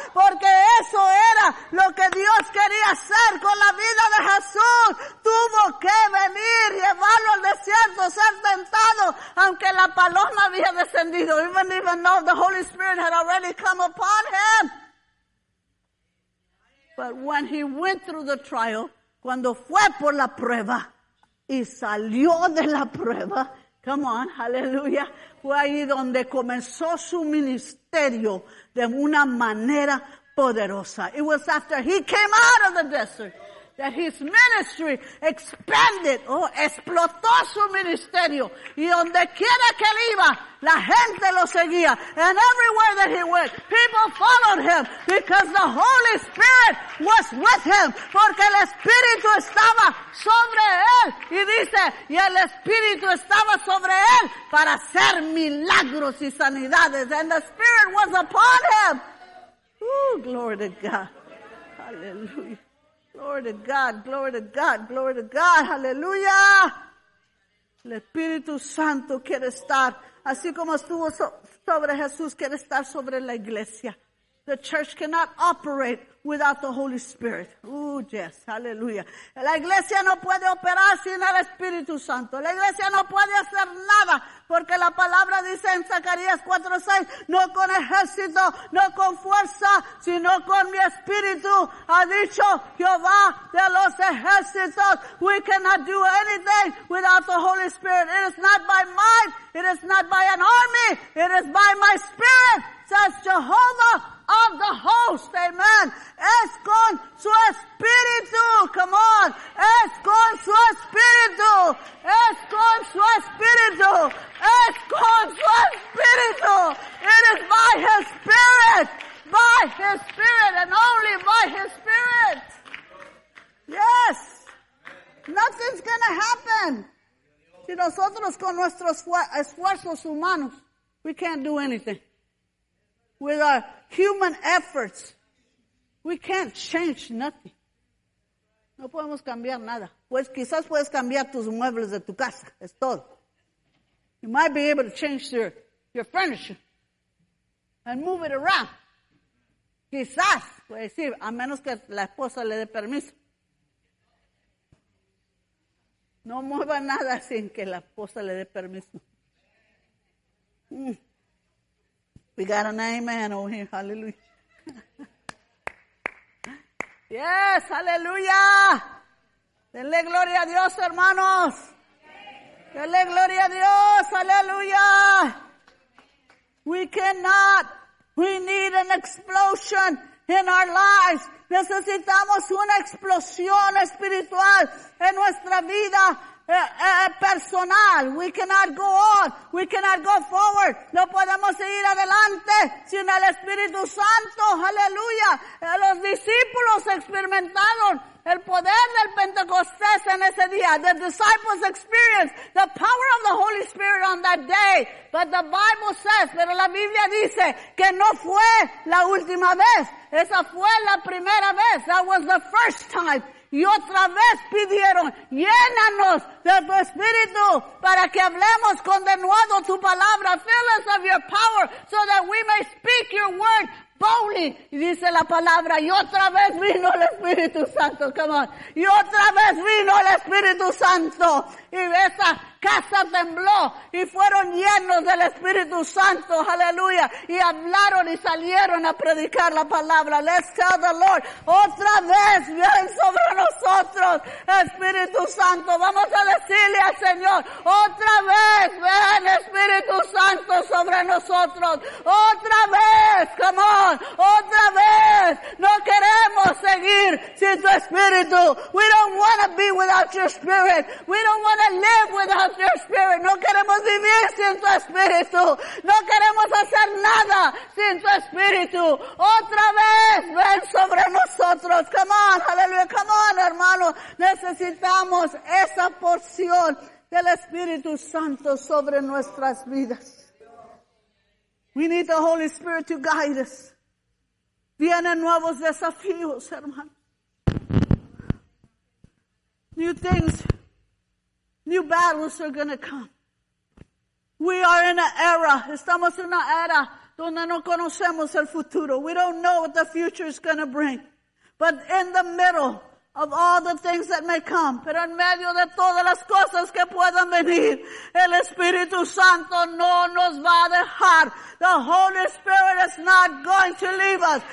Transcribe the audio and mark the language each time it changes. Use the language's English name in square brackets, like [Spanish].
[Spanish] Porque eso era lo que Dios quería hacer con la vida de Jesús. Tuvo que venir, llevarlo al desierto, ser tentado, aunque la paloma había descendido. [English] Even though the Holy Spirit had already come upon him. But when he went through the trial, [Spanish] cuando fue por la prueba y salió de la prueba, [English] Come on, aleluya. [Spanish] Fue ahí donde comenzó su ministerio de una manera poderosa. [English] It was after he came out of the desert that his ministry expanded. [Spanish] Oh, explotó su ministerio. Y donde quiera que él iba, la gente lo seguía. [English] And everywhere that he went, people followed him because the Holy Spirit was with him. [Spanish] Porque el Espíritu estaba sobre él. Y dice, y el Espíritu estaba sobre él para hacer milagros y sanidades. [English] And the Spirit was upon him. Oh, glory to God. Hallelujah. Glory to God, glory to God, glory to God, hallelujah. [Spanish] El Espíritu Santo quiere estar, así como estuvo sobre Jesús, quiere estar sobre la iglesia. [English] The church cannot operate without the Holy Spirit. Oh, yes, hallelujah. [Spanish] La iglesia no puede operar sin el Espíritu Santo. La iglesia no puede hacer nada, porque la palabra dice en Zacarías 4:6, no con ejército, no con fuerza, sino con mi Espíritu, ha dicho Jehová de los ejércitos. [English] We cannot do anything without the Holy Spirit. It is not by might, it is not by an army, it is by my Spirit, says Jehovah of the host, amen. [Spanish] Es con su espíritu, come on. Es con su espíritu. Es con su espíritu. Es con su espíritu. [English] It is by his spirit. By his spirit and only by his spirit. Yes. Nothing's gonna happen. [Spanish] Si nosotros con nuestros esfuerzos humanos, [English] we can't do anything. With our human efforts, we can't change nothing. [Spanish] No podemos cambiar nada. Pues quizás puedes cambiar tus muebles de tu casa. Es todo. [English] You might be able to change your furniture and move it around. [Spanish] Quizás, puede decir, a menos que la esposa le dé permiso. No mueva nada sin que la esposa le dé permiso. [English] We got an amen over here. Hallelujah. [Spanish] Yes, hallelujah. Denle gloria a Dios, hermanos. Denle gloria a Dios. Hallelujah. [English] We cannot. We need an explosion in our lives. [Spanish] Necesitamos una explosión espiritual en nuestra vida. [English] Personal, we cannot go on, we cannot go forward. [Spanish] No podemos seguir adelante sin el Espíritu Santo. Hallelujah. Los discípulos experimentaron el poder del Pentecostés en ese día. [English] The disciples experienced the power of the Holy Spirit on that day. But the Bible says, [Spanish] pero la Biblia dice que no fue la última vez. Esa fue la primera vez. [English] That was the first time. [Spanish] Y otra vez pidieron, llénanos de tu espíritu para que hablemos con de nuevo tu palabra. [English] Fill us of your power so that we may speak your word boldly. [Spanish] Y dice la palabra, y otra vez vino el Espíritu Santo. Come on. Y otra vez vino el Espíritu Santo. Y esa casa tembló y fueron llenos del Espíritu Santo. Aleluya. Y hablaron y salieron a predicar la palabra. [English] Let's tell the Lord. [Spanish] Otra vez viene sobre nosotros Espíritu Santo. Vamos a decirle al Señor. Otra vez ven Espíritu Santo sobre nosotros. Otra vez. Come on. Otra vez. No queremos seguir sin tu Espíritu. [English] We don't want to be without your Spirit. We don't want to live without your Spirit. [Spanish] No queremos vivir sin tu Espíritu. No queremos hacer nada sin tu Espíritu. Otra vez ven sobre nosotros. Come on, hallelujah. [English] Come on, hermano. [Spanish] Necesitamos esa porción del Espíritu Santo sobre nuestras vidas. [English] We need the Holy Spirit to guide us. [Spanish] Vienen nuevos desafíos, hermano. [English] New things. New battles are gonna come. We are in an era. [Spanish] Estamos en una era donde no conocemos el futuro. [English] We don't know what the future is gonna bring. But in the middle, of all the things that may come. [Spanish] Pero en medio de todas las cosas que puedan venir, el Espíritu Santo no nos va a dejar. [English] The Holy Spirit is not going to leave us.